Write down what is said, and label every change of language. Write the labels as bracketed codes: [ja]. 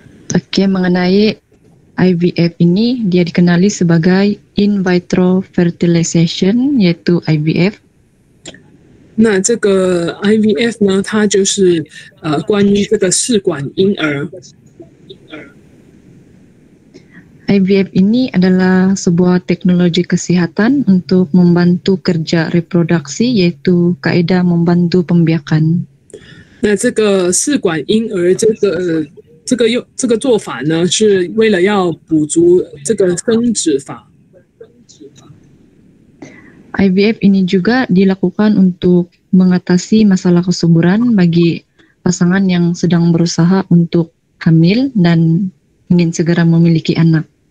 [ms] Oke, mengenai IVF ini dia dikenali sebagai in vitro fertilization, yaitu IVF. [zh] Nah, 这个 IVF 呢，它就是 关于这个试管婴儿。 [ms] IVF ini adalah sebuah teknologi kesehatan untuk membantu kerja reproduksi, yaitu kaedah membantu pembiakan. [zh] Nah, 这个试管婴儿这个 这个做法呢，是为了要补足这个生殖法。 [ms] IVF ini juga dilakukan untuk mengatasi masalah kesuburan bagi pasangan yang sedang berusaha untuk hamil dan ingin segera memiliki anak.